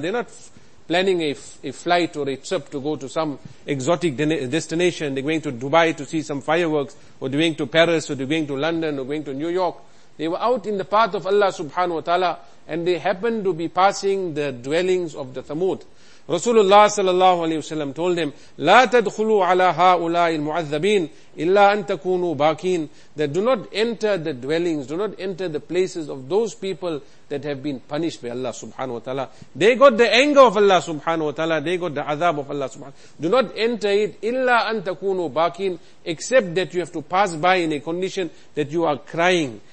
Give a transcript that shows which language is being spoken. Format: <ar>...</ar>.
<en>They're not planning a flight or a trip to go to some exotic destination. They're going to Dubai to see some fireworks or they're going to Paris or they're going to London or going to New York. They were out in the path of Allah subhanahu wa ta'ala and they happened to be passing the dwellings of the Thamud.</en> <ar>Rasulullah sallallahu alayhi wa sallam</ar> <en>told him,</en> <ar>لا تدخلوا على هؤلاء المعذبين إلا أن تكونوا باكين.</ar> <en>That do not enter the dwellings, do not enter the places of those people that have been punished by Allah subhanahu wa ta'ala. They got the anger of Allah subhanahu wa ta'ala, they got the azab of Allah subhanahu wa ta'ala. Do not enter it,</en> <ar>إلا أن تكونوا باكين,</ar> <en>except that you have to pass by in a condition that you are crying.</en>